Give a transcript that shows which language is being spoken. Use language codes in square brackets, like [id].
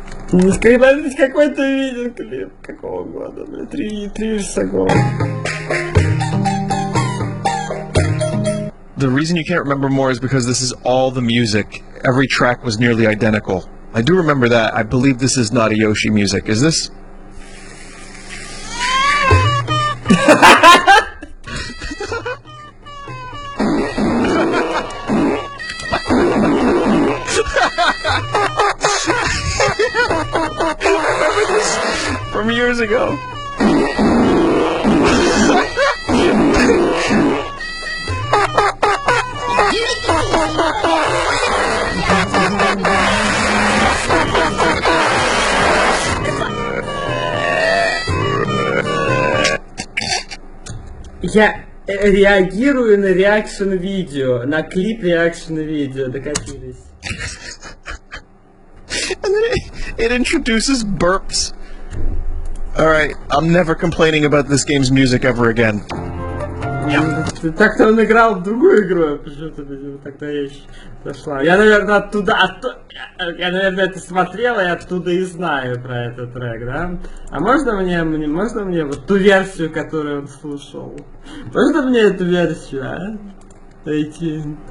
[ru] Не скажи, какой-то виден клип, какого года, блин, три часа года. [en] The reason you can't remember more is because this is all the music. Every track was nearly identical. I do remember that. I believe this is not a Yoshi music, is this? [ru] Я реагирую на реакшн видео, на клип реакшн видео, докатились. [en] It introduces burps. Alright, I'm never complaining about this game's music ever again. Yeah. [ru] Так-то он играл в другую игру, почему-то, видимо, тогда вещь зашла. Я, наверное, оттуда, я, наверное, это смотрел, и оттуда и знаю про этот трек, да? А можно мне вот ту версию, которую он слушал? Можно мне эту версию, а? Эйти.